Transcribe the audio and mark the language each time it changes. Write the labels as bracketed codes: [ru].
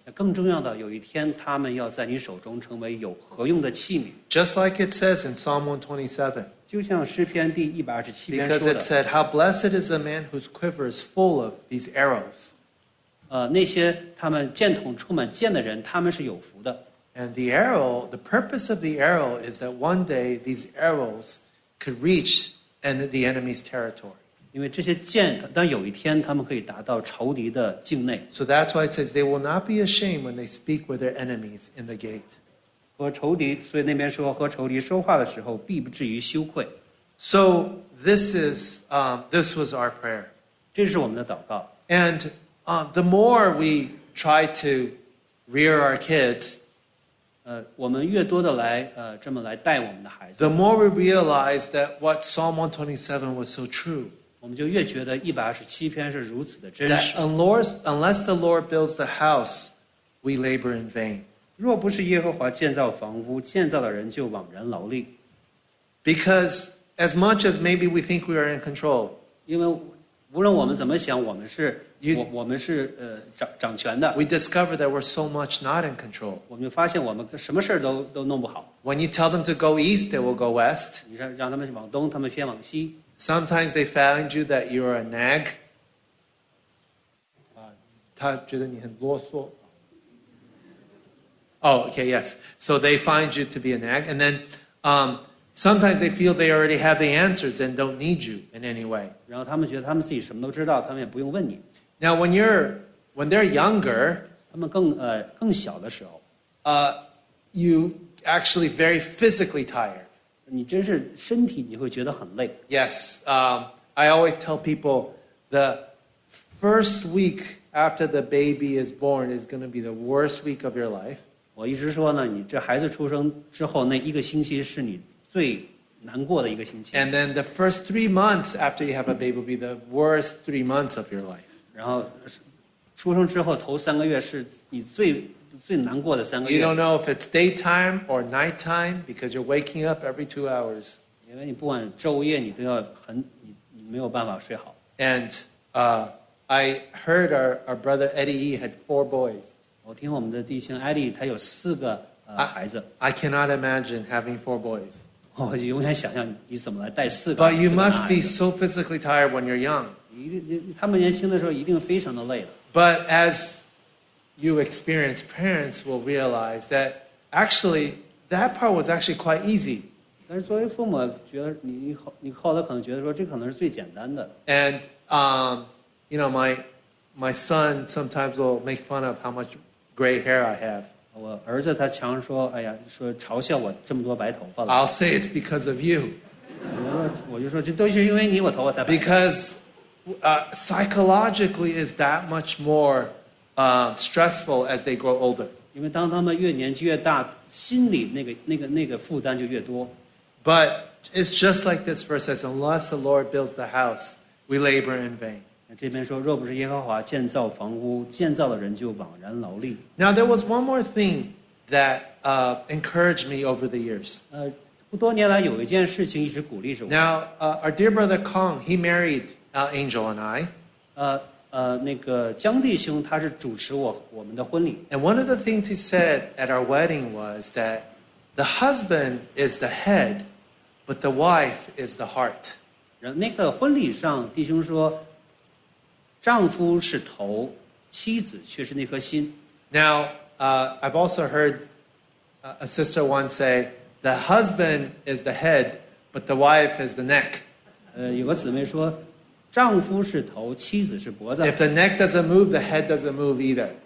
[zh] 更重要的，有一天他们要在你手中成为有何用的器皿。 [en] Just like it says in Psalm 127. [zh] 就像诗篇第一百二十七篇说的 [en] Because it said, how blessed is a man whose quiver is full of these arrows. [zh] 那些他们箭筒充满箭的人他们是有福的 [en] And the arrow, the purpose of the arrow is that one day these arrows could reach the enemy's territory. [zh] 因为这些箭当有一天他们可以达到仇敌的境内 [en] So that's why it says they will not be ashamed when they speak with their enemies in the gate. [zh] 和仇敌，所以那边说和仇敌说话的时候，必不至于羞愧。 [en] So this is this was our prayer. [zh] 这是我们的祷告。 [en] And the more we try to rear our kids, [zh] 我们越多的来这么来带我们的孩子。 [en] The more we realize that what Psalm 127 was so true. [zh] 我们就越觉得一百二十七篇是如此的真实。 [en] That unless the Lord builds the house, we labor in vain. [zh] 若不是耶和华建造房屋，建造的人就枉然劳力。 [en] Because as much as maybe we think we are in control, [zh] 因为无论我们怎么想，我们是 我们是掌权的。 [en] We discover that we're so much not in control. [zh] 我们就发现我们什么事都弄不好。 [en] When you tell them to go east, they will go west. [zh] 你让他们往东，他们偏往西。 [en] Sometimes they find you that you are a nag. [zh] 他觉得你很啰嗦。 [en] Oh, okay, yes. So they find you to be a nag. And then sometimes they feel they already have the answers and don't need you in any way. [zh] 然后他们觉得他们自己什么都知道，他们也不用问你。 [en] Now, when they're younger, [zh] 他们更小的时候 [en] you actually very physically tired. [zh] 你真是身体你会觉得很累。 [en] Yes, I always tell people the first week after the baby is born is going to be the worst week of your life. [zh] 我一直说呢，你这孩子出生之后那一个星期是你最难过的一个星期。 [en] And then the first 3 months after you have a baby will be the worst 3 months of your life. [zh] 然后出生之后头三个月是你最难过的三个月。 [en] You don't know if it's daytime or nighttime because you're waking up every 2 hours. [zh] 因为你不管昼夜你都要很你没有办法睡好。 [en] And I heard our brother Eddie E had 4 boys. [zh] 我听我们的弟兄艾利，他有四个孩子。 [en] I cannot imagine having four boys. [zh] 我永远想象你怎么来带四个。 [en] But you must be so physically tired when you're young. [zh] 他们年轻的时候一定非常的累了。 [en] But as you experience, parents will realize that actually that part was actually quite easy. [zh] 但是作为父母，觉得你后来可能觉得说这可能是最简单的。 [en] And you know my son sometimes will make fun of how much gray hair I have. [zh] 我儿子他常说，哎呀，说嘲笑我这么多白头发 [en] 了。I'll say it's because of you. [zh] 我就说这都是因为你，我头发才白。 [en] Because psychologically is that much more stressful as they grow older. [zh] 因为当他们越年纪越大，心里那个负担就越多。 [en] But it's just like this verse says, unless the Lord builds the house, we labor in vain. [zh] 这边说，若不是耶和华建造房屋，建造的人就枉然劳力。 [en] Now there was one more thing that encouraged me over the years. [zh] 多年来有一件事情一直鼓励着我。 [en] Now our dear brother Kong, he married Angel and I. [zh] 那个江弟兄他是主持我们的婚礼。 [en] And one of the things he said at our wedding was that. The husband is the head, but the wife is the heart. [zh] 那个婚礼上，弟兄说，丈夫是头，妻子却是那颗心。 [en] Now, I've also heard a sister once say, the husband is the head, but the wife is the neck. [zh] 有个姊妹说，丈夫是头，妻子是脖子。 [en] If the neck doesn't move, the head doesn't move either.